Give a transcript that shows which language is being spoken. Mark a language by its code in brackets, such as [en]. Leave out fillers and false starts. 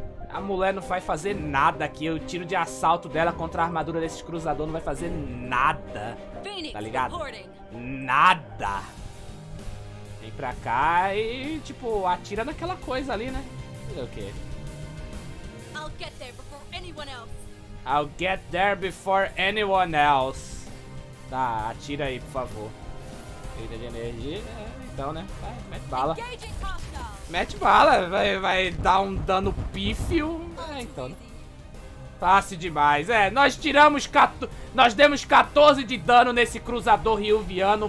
[pt] A mulher não vai fazer nada aqui. O tiro de assalto dela contra a armadura desses cruzador não vai fazer nada. Phoenix, tá ligado? [en] Reporting. [pt] Nada. Vem pra cá e, tipo, atira naquela coisa ali, né? Fazer o quê? [en] I'll get there before anyone else. I'll get there before anyone else. [pt] Tá, atira aí, por favor. Perda de energia, então, né? Vai, mete bala. Mete bala, vai dar um dano pífio. É, então, né? Fácil demais. É, nós tiramos... Nós demos 14 de dano nesse cruzador riuviano.